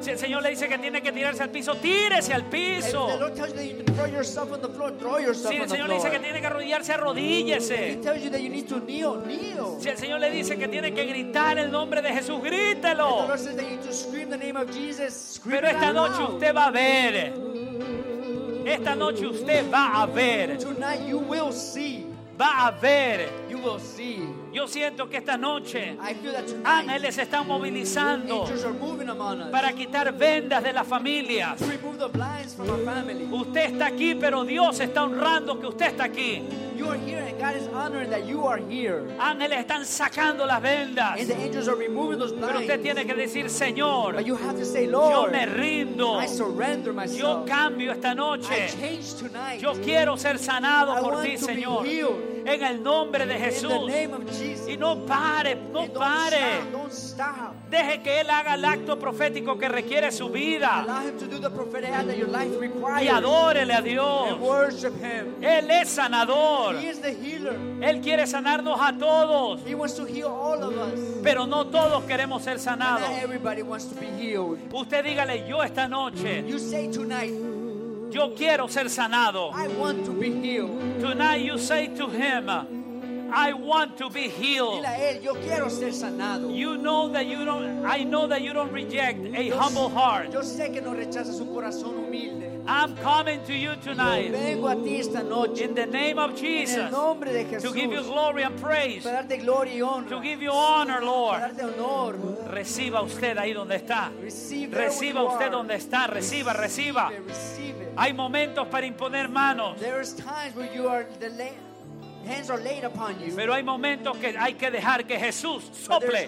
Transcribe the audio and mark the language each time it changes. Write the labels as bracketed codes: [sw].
[es] Si el Señor le dice que tiene que tirarse al piso, tírese al piso. [en] If the Lord tells you that you need to throw yourself on the floor, throw yourself [es] si [en] on the [es] Señor [en] floor. [es] Le dice que tiene que arrodillarse, arrodíllese. [en] If he tells you that you need to kneel. [es] Si el Señor le dice que tiene que gritar el nombre de Jesús, grítelo. [en] If the Lord says that you need to scream the name of Jesus, scream [es] Pero esta noche [en] loud. [es] Usted va a ver. Esta noche usted va a ver. [en] Tonight you will see. [es] Va a ver. [en] You will see. [es] Yo siento que esta noche [en] I feel that tonight, [es] ángeles están movilizando [en] angels are moving among us. [es] Para quitar vendas de las familias. [en] To remove the blinds from our family. [es] Usted está aquí, pero Dios está honrando que usted está aquí. [en] you are here, and God is honored that you are here. [es] Ángeles están sacando las vendas. [en] And the angels are removing those blinds. [es] Pero usted tiene que decir, Señor, [en] but you have to say, Lord, [es] yo me rindo. [en] I surrender myself. [es] Yo cambio esta noche. [en] I change tonight. [es] Yo quiero ser sanado por ti, Señor. [en] I want to be healed. [es] En el nombre de Jesús. [en] In the name of Jesus. [es] Y no pare, no [en] don't [es] pare. [en] Stop. [es] Deje que Él haga el acto profético que requiere su vida. [en] Allow him to do the prophetic act that your life requires. [es] Y adórele a Dios. [en] And worship him. [es] Él es sanador. [en] He is the healer. [es] Él quiere sanarnos a todos. [en] He wants to heal all of us. [es] Pero no todos queremos ser sanados. [en] Not everybody wants to be healed. [es] Usted dígale, yo esta noche, [en] you say tonight, [es] yo quiero ser sanado. [en] I want to be healed. Tonight you say to him, I want to be healed. [es] Dile a él, yo quiero ser sanado. [en] You know that you don't, I know that you don't reject a [es] yo, [en] humble heart. [es] Yo sé que no rechazas un corazón humilde. [en] I'm coming to you tonight. [es] Yo vengo a ti esta noche. [en] In the name of Jesus. [es] En el nombre de Jesús. [en] To give you glory and praise. [es] Para darte gloria y honra. [en] To give you honor, Lord. [es] Para darte honor. Reciba usted ahí donde está. [en] Receive. [es] Reciba usted donde está. Reciba, reciba. [en] Receive. [es] Hay momentos para imponer manos. [en] There is times where you are the hands are laid upon you. [es] Pero hay momentos que hay que dejar que Jesús sople.